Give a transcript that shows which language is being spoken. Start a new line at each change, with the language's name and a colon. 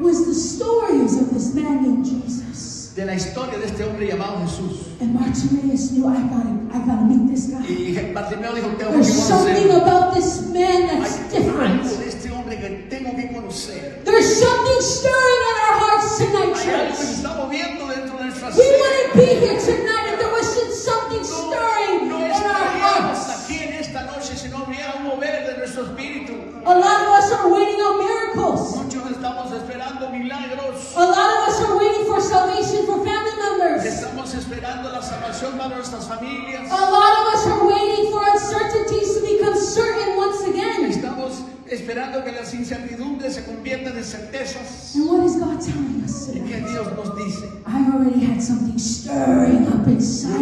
English: Was the stories of this man named Jesus.
Spanish: De la historia de este hombre llamado Jesús.
English: And Bartimeus knew, I gotta meet this guy.
Spanish: Y Bartimeo dijo, tengo
English: There's
Spanish: que
English: something
Spanish: conocer.
English: About this man that's
Spanish: Hay
English: different.
Spanish: Algo de este hombre que tengo que conocer.
English: There's something stirring on our hearts tonight,
Spanish: Hay algo que se está moviendo dentro de nuestra
English: We wouldn't be here tonight if there wasn't something stirring
Spanish: no, no
English: in our hearts.
Spanish: Aquí en esta noche, sino habría un mover de nuestro espíritu.
English: A lot of us are waiting on miracles.
Spanish: Muchos estamos esperando milagros.
English: A lot of us are waiting for salvation for family members.
Spanish: Estamos esperando la salvación para nuestras familias.
English: A lot of us are waiting for uncertainties to become certain once again.
Spanish: Estamos esperando que las incertidumbres se conviertan en certezas.
English: And what is God telling us?
Spanish: ¿Y qué Dios nos dice?
English: I already had something stirring up inside of